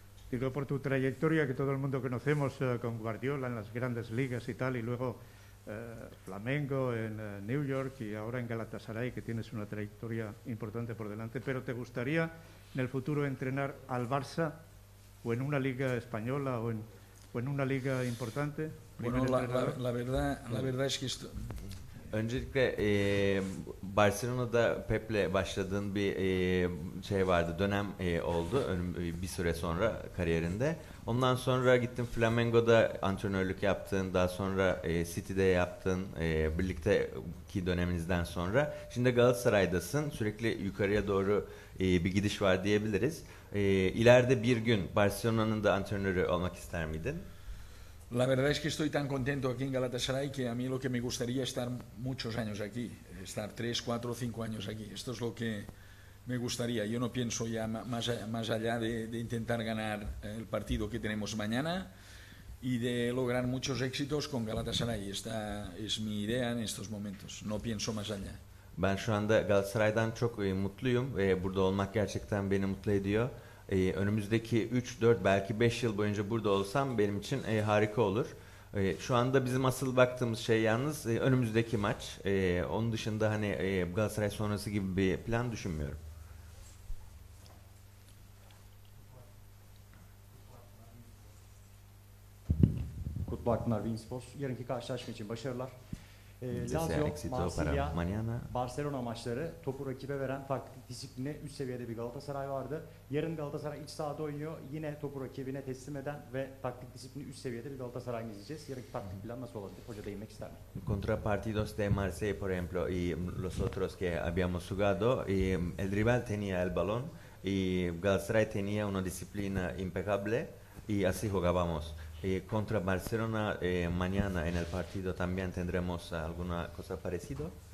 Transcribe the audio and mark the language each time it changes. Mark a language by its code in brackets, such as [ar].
[es] Digo, por tu trayectoria que todo el mundo conocemos con Guardiola en las grandes ligas y tal, y luego Flamengo en New York y ahora en Galatasaray, que tienes una trayectoria importante por delante, pero ¿te gustaría en el futuro entrenar al Barça o en una liga española o en una liga importante? Bueno, la verdad es que esto... [tr] Öncelikle Barcelona'da Pep'le başladığın bir şey vardı, dönem oldu bir süre sonra kariyerinde. Ondan sonra gittin Flamengo'da antrenörlük yaptın, daha sonra City'de yaptın birlikteki döneminizden sonra. Şimdi Galatasaray'dasın, sürekli yukarıya doğru bir gidiş var diyebiliriz. İleride bir gün Barcelona'nın da antrenörü olmak ister miydin? [es] La verdad es que estoy tan contento aquí en Galatasaray que a mí lo que me gustaría es estar muchos años aquí, estar 3, 4, 5 años aquí. Esto es lo que me gustaría. Yo no pienso ya más allá de intentar ganar el partido que tenemos mañana y de lograr muchos éxitos con Galatasaray. Esta es mi idea en estos momentos. No pienso más allá. [tr] Ben şu anda Galatasaray'dan çok mutluyum ve burada olmak gerçekten beni mutlu ediyor. Önümüzdeki 3, 4, belki 5 yıl boyunca burada olsam benim için harika olur. Şu anda bizim asıl baktığımız şey yalnız önümüzdeki maç. Onun dışında hani Galatasaray sonrası gibi bir plan düşünmüyorum. Kutlaklar, Winsports. Yarınki karşılaşma için başarılar. Lazio, Marsilya, Barcelona maçları topu rakibe veren taktik disipline üst seviyede bir Galatasaray vardı. Yarın Galatasaray iç sahada oynuyor. Yine topu rakibine teslim eden ve taktik disiplini üst seviyede bir Galatasaray izleyeceğiz. Yarınki taktik plan nasıl olabilir? Hoca değinmek ister mi? [es] Contrapartidos de Marseille, por ejemplo, y los otros que habíamos jugado, el rival tenía el balón y Galatasaray tenía una disciplina impecable y así jugábamos. Contra Barcelona mañana en el partido también tendremos alguna cosa parecido.